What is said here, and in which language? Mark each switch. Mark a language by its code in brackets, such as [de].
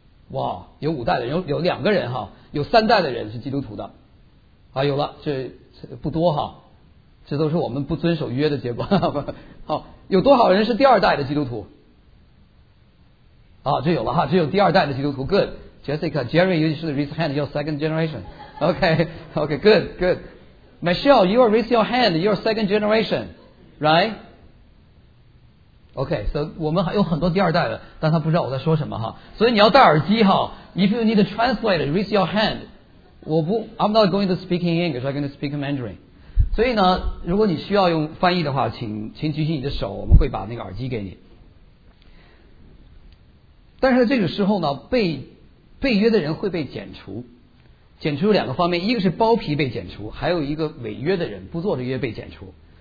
[zh] 哇，有五代的人，有两个人哈，有三代的人是基督徒的，啊，有了，这不多哈，这都是我们不遵守约的结果。好，有多少人是第二代的基督徒？啊，这有了哈，这有第二代的基督徒 ，good。 [en] Jessica、Jerry， you should raise hand. You're second generation. Okay, okay, good, good. Michelle, you are raise your hand. You're second generation, right? Okay, so [zh] 我们还有很多第二代的，但他不知道我在说什么哈。所以你要戴耳机哈。 [en] If you need a translator, raise your hand. I'm not going to speak in English. I'm going to speak in Mandarin. [zh] 所以呢，如果你需要用翻译的话，请举起你的手，我们会把那个耳机给你。但是在这个时候呢，被约的人会被剪除。剪除有两个方面，一个是包皮被剪除，还有一个违约的人不做这约被剪除。